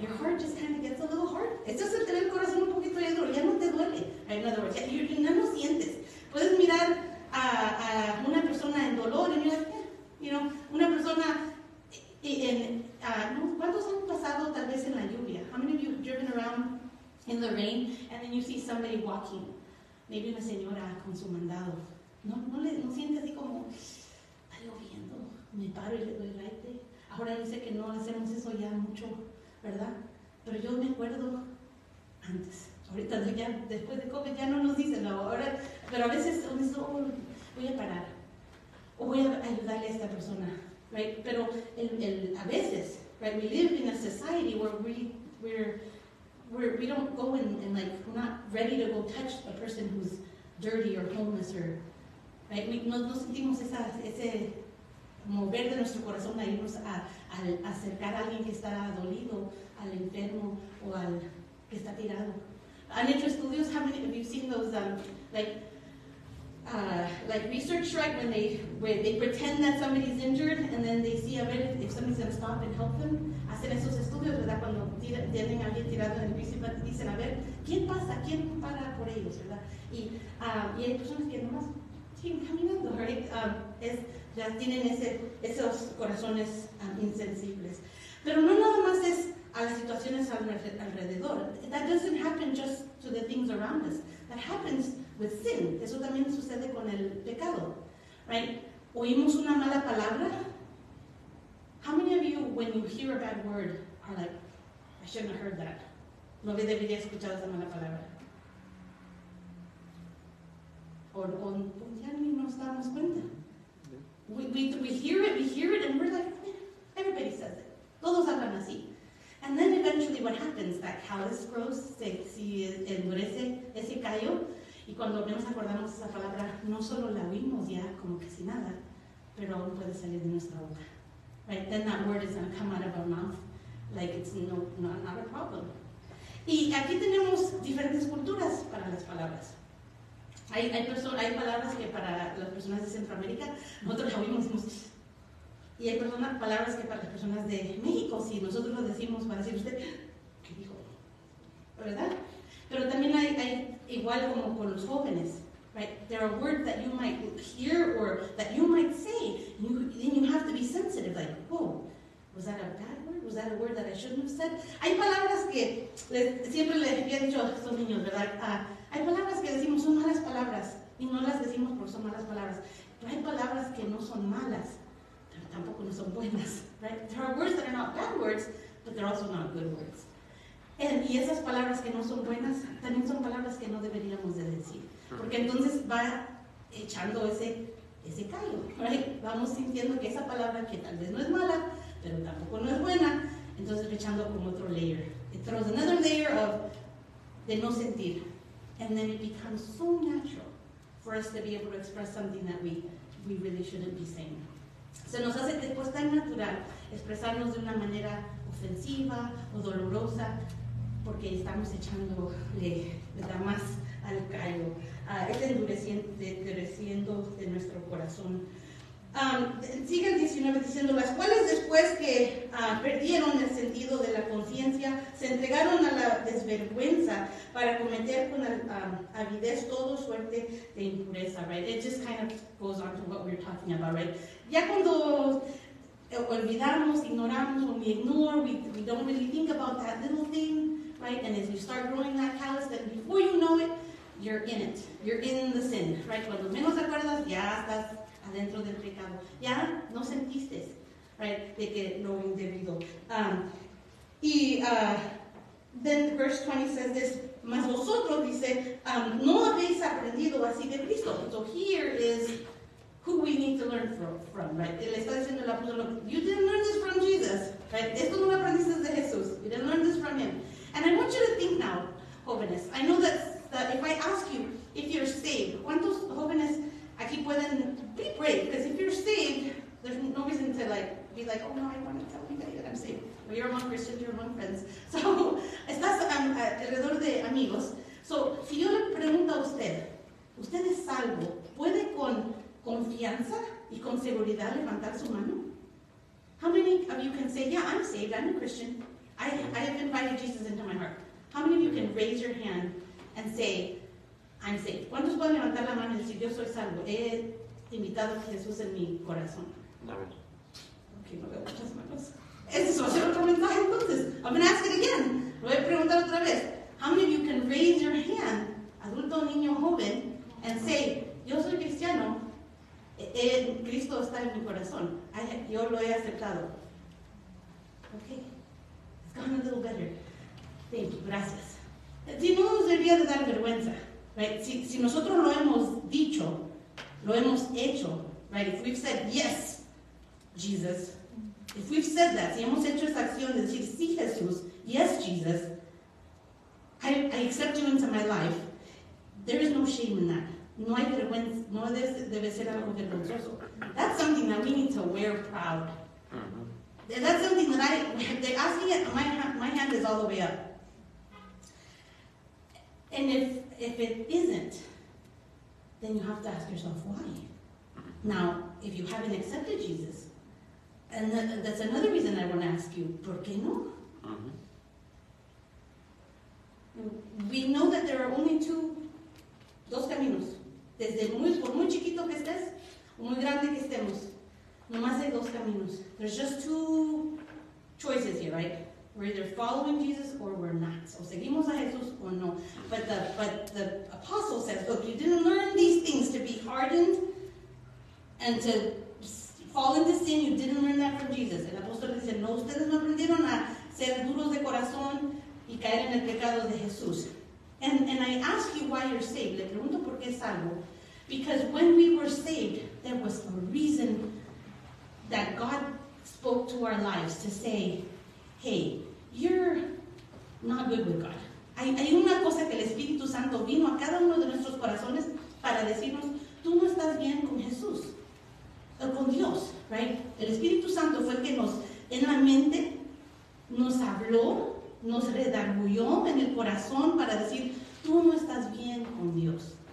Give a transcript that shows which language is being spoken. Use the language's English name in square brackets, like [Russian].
[English] Your heart just kind of gets a little hard. [Spanish] Esto es el tener el corazón un poquito ya duro, ya no te duele. [English] In other words, you [Spanish] no lo sientes. Puedes mirar a una persona en dolor y mirar, una persona en, ¿cuántos han pasado tal vez en la lluvia? [English] How many of you have driven around in the rain and then you see somebody walking? [Spanish] Maybe una señora con su mandado. No sientes así como, está lloviendo, me paro y le doy raite. Ahora dice que no hacemos eso ya mucho, ¿verdad? Pero yo me acuerdo antes. Ahorita ya, después de COVID ya no nos dicen, no, ahora, pero a veces uno dice, oh, voy a parar. O voy a ayudarle a esta persona, right? Pero a veces, [English] right? We live in a society where we don't go and like we're not ready to go touch a person who's dirty or homeless or, right? [Spanish] No sentimos ese mover de nuestro corazón a irnos a acercar a alguien que está dolido, al enfermo o al que está tirado. ¿Han hecho estudios? [English] How many of you seen those like research, right, when they pretend that somebody's injured and then they see [Spanish] a ver [English] if somebody's going to stop and help them. [Spanish] Hacen esos estudios, ¿verdad? Cuando tienen a alguien tirado en el piso y dicen, a ver, ¿quién pasa? ¿Quién para por ellos, verdad? Y hay personas que nomás siguen caminando, right? Ya tienen esos corazones insensibles. Pero no nada más es a las situaciones alrededor. [English] That doesn't happen just to the things around us. That happens with sin. [Spanish] Eso también sucede con el pecado, right? Oímos una mala palabra. [English] How many of you, when you hear a bad word, are like, I shouldn't have heard that. [Spanish] No debería haber escuchado esa mala palabra. O ya ni nos damos cuenta. [English] We hear it, and we're like, yeah, everybody says it. [Spanish] Todos hablan así. [English] And then eventually what happens, that callus grows, [Spanish] se endurece ese callo, y cuando nos acordamos esa palabra, no solo la oímos ya como casi nada, pero aún puede salir de nuestra boca. Right? [English] Then that word is going to come out of our mouth like it's not a problem. [Spanish] Y aquí tenemos diferentes culturas para las palabras. Hay palabras que para las personas de Centroamérica, nosotros la oímos mucho. Y hay palabras que para las personas de México, si nosotros lo decimos, para decir usted, ¿qué dijo? ¿Verdad? Pero también hay igual como con los jóvenes, right? [English] There are words that you might hear or that you might say, and then you have to be sensitive, like, oh, was that a bad word? Was that a word that I shouldn't have said? [Spanish] Hay palabras que siempre le había dicho a estos niños, ¿verdad? Hay palabras que decimos son malas palabras y no las decimos porque son malas palabras. Pero hay palabras que no son malas, pero tampoco no son buenas, right? [English] There are words that are not bad words, but they're also not good words. [Spanish] Y esas palabras que no son buenas también son palabras que no deberíamos de decir. Porque entonces va echando ese callo, right? Vamos sintiendo que esa palabra que tal vez no es mala, pero tampoco no es buena, entonces echando como otro layer. [English] It throws another layer of [Spanish] de no sentir. [English] And then it becomes so natural for us to be able to express something that we really shouldn't be saying. [Spanish] Se nos hace después tan natural expresarnos de una manera ofensiva o dolorosa porque estamos echándole, ¿verdad?, más al callo, endureciendo de nuestro corazón. Sigue el 19 diciendo, las cuales después que perdieron el sentido de la conciencia, se entregaron a la desvergüenza para cometer con avidez todo suerte de impureza, right? [English] It just kind of goes on to what we're talking about, right? [Spanish] Ya cuando olvidamos, ignoramos, [English] when we ignore, we don't really think about that little thing, right? And as you start growing that callus, then before you know it, you're in it. You're in the sin, right? [Spanish] Cuando menos acuerdas, ya estás dentro del pecado. Ya no sentiste, right, de que lo indebido. [English] Then verse 20 says this, [Spanish] mas vosotros, dice, no habéis aprendido así de Cristo. [English] So here is who we need to learn from, right? [Spanish] Le está diciendo el apóstol, [English] you didn't learn this from Jesus, right? [Spanish] Esto no lo aprendiste de Jesús. [English] You didn't learn this from him. And I want you to think now, jóvenes. I know that if I ask you if you're saved, [Spanish] ¿cuántos jóvenes aquí pueden [English] be brave? Because if you're saved, there's no reason to like be like, oh no, I want to tell anybody that I'm saved. Well, you're among Christians, you're among friends. So, estás [Spanish] amigos. So, si yo le pregunto a usted, ¿usted es salvo? ¿Puede con confianza y con seguridad levantar su mano? [English] How many of you can say, yeah, I'm saved, I'm a Christian. I have invited Jesus into my heart. How many of you can raise your hand and say, I'm saved? [Spanish] ¿Cuántos pueden levantar la mano y decir, yo soy salvo? He invitado a Jesús en mi corazón. Okay, no veo muchas manos. Ese es otro mensaje entonces. [English] I'm going to ask it again. [Spanish] Lo voy a preguntar otra vez. [English] How many of you can raise your hand, adulto, niño, joven, and say, [Spanish] yo soy cristiano, Cristo está en mi corazón, yo lo he aceptado? [English] Okay, it's gone a little better. Thank you, gracias. [Spanish] Si no nos debería de dar vergüenza, right? Si nosotros lo hemos dicho, lo hemos hecho, right? [English] If we've said yes, Jesus, if we've said that, [Spanish] si hemos hecho esa acción de decir sí, Jesús, [English] yes, Jesus, I accept you into my life, there is no shame in that. [Spanish] No hay vergüenza, no debe ser algo vergonzoso. [English] That's something that we need to wear proud. Mm-hmm. That's something that they're asking it, my hand is all the way up. And if it isn't, then you have to ask yourself why. Now, if you haven't accepted Jesus, and that's another reason I want to ask you, [Spanish] ¿por qué no? Mm-hmm. [English] We know that there are only [Spanish] dos caminos. Desde por muy chiquito que estés, o muy grande que estemos, nomás hay dos caminos. [English] There's just two choices here, right? We're either following Jesus or we're not. [Spanish] O seguimos a Jesús o no. [English] But the apostle says, look, you didn't learn these things to be hardened and to fall into sin. You didn't learn that from Jesus. [Spanish] El apóstol dice, no, ustedes no aprendieron a ser duros de corazón y caer en el pecado de Jesús. [English] And I ask you why you're saved. [Spanish] Le pregunto por qué es salvo. [English] Because when we were saved, there was a reason that God spoke to our lives to say, hey, you're not good with God. [Spanish] Hay una cosa que el Espíritu Santo vino a cada uno de nuestros corazones para decirnos, tú no estás bien con Jesús, o con Dios, right? El Espíritu Santo fue el que nos, en la mente, nos habló, nos redarguyó en el corazón para decir, tú no estás bien con Dios.